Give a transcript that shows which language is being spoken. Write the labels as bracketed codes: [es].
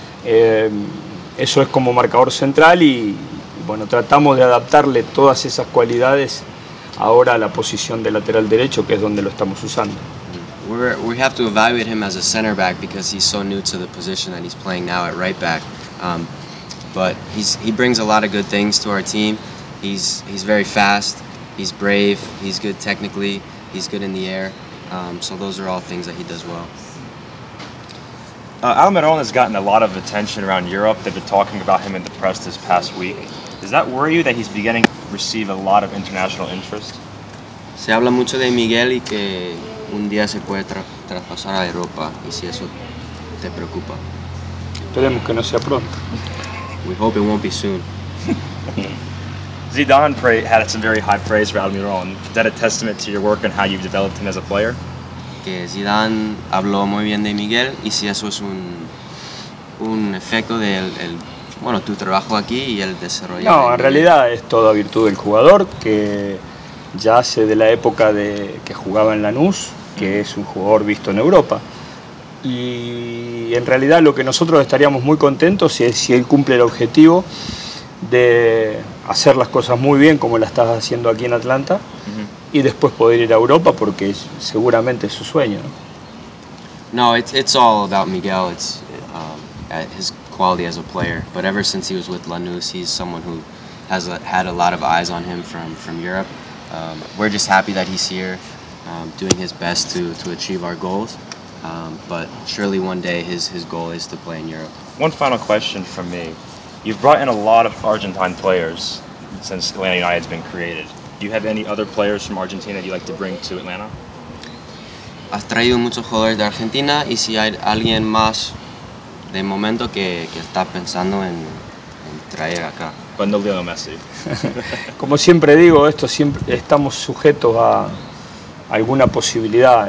[es] Eso es como marcador central y bueno, tratamos de adaptarle todas esas cualidades ahora a la posición de lateral derecho, que es donde lo estamos usando. [en] We have to evaluate him as a center back because he's so new to the position that he's playing now at right back. But he brings a lot of good things to our team. He's very fast, he's brave, he's good technically, he's good in the air. So those are all things that he does well. Almirón has gotten a lot of attention around Europe. They've been talking about him in the press this past week. Does that worry you that he's beginning to receive a lot of international interest? [es] Se habla mucho de Miguel y que un día se puede traspasar a Europa, y si eso te preocupa. Esperemos que no sea pronto. [en] We hope it won't be soon. Zidane had some very high praise for Almirón. Is that a testament to your work and how you've developed him as a player? [es] Que Zidane habló muy bien de Miguel, y si eso es un efecto de tu trabajo aquí y el desarrollo. No, en realidad es todo a virtud del jugador, que ya hace de la época de que jugaba en Lanús, que es un jugador visto en Europa. Y en realidad lo que nosotros estaríamos muy contentos es si él cumple el objetivo de hacer las cosas muy bien como la estás haciendo aquí en Atlanta y después poder ir a Europa porque seguramente es su sueño. [en] No, it's all about Miguel, it's his quality as a player, but ever since he was with Lanús, he's someone who has had a lot of eyes on him from Europe. We're just happy that he's here doing his best to achieve our goals, but surely one day his goal is to play in Europe. One final question from me. You've brought in a lot of Argentine players since Atlanta United's been created. Do you have any other players from Argentina that you'd like to bring to Atlanta? [es] Has traído muchos jugadores de Argentina, y si hay alguien más de momento que está pensando en traer acá. Cuando Leo Messi. Como siempre digo, esto siempre estamos sujetos a alguna posibilidad.